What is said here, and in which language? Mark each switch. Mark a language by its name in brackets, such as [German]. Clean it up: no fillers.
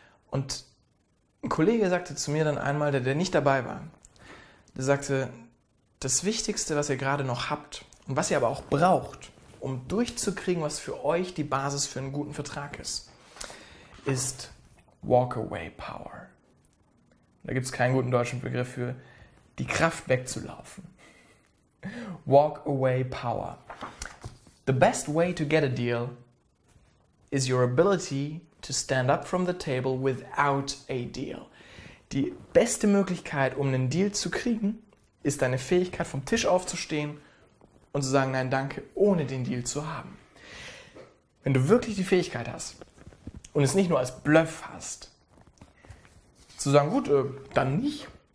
[German] Und ein Kollege sagte zu mir dann einmal, der nicht dabei war, der sagte, das Wichtigste, was ihr gerade noch habt und was ihr aber auch braucht, um durchzukriegen, was für euch die Basis für einen guten Vertrag ist, ist Walk-Away-Power. Da gibt es keinen guten deutschen Begriff für die Kraft wegzulaufen. [English] Walk-Away-Power. The best way to get a deal is your ability to stand up from the table without a deal. [German] Die beste Möglichkeit, um einen Deal zu kriegen, ist deine Fähigkeit, vom Tisch aufzustehen und zu sagen, nein, danke, ohne den Deal zu haben. Wenn du wirklich die Fähigkeit hast, und es nicht nur als Bluff hast, zu sagen, gut, dann nicht.